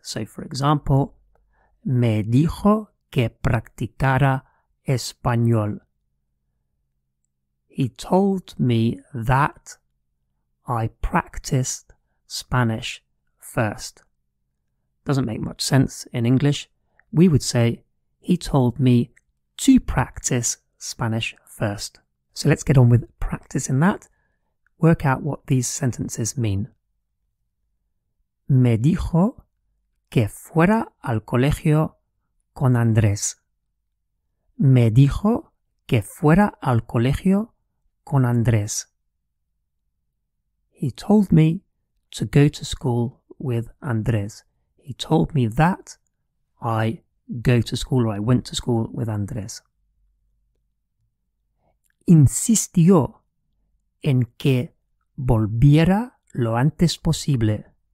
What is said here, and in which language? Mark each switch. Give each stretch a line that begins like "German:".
English: So for example,
Spanish: me dijo que practicara español.
English: He told me that I practiced Spanish first. Doesn't make much sense in English. We would say, he told me to practice Spanish first. So let's get on with practicing that. Work out what these sentences mean.
Spanish: Me dijo que fuera al colegio con Andrés. Me dijo que fuera al colegio con Andrés.
English: He told me to go to school with Andrés. He told me that I go to school or I went to school with Andrés.
Spanish: Insistió en que volviera lo antes posible.